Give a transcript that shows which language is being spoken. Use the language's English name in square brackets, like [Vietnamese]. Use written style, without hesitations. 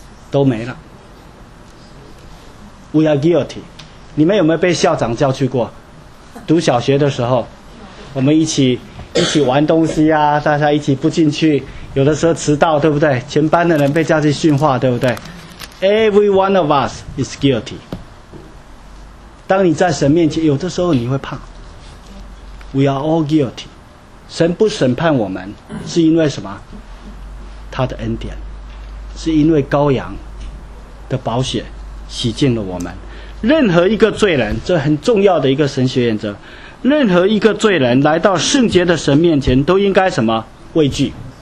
[Chinese] 都没了。 [English] We are guilty。 [Chinese] 你们有没有被校长叫去过？读小学的时候，我们一起玩东西啊，大家一起不进去，有的时候迟到对不对？全班的人被叫去训话对不对？ [English] Every one of us is guilty。 [Chinese] 当你在神面前，有的时候你会怕。 [English] We are all guilty。 [Chinese] 神不审判我们是因为什么？他的恩典，是因为羔羊的宝血洗净了我们。任何一个罪人，这很重要的一个神学原则，任何一个罪人来到圣洁的神面前都应该什么？畏惧。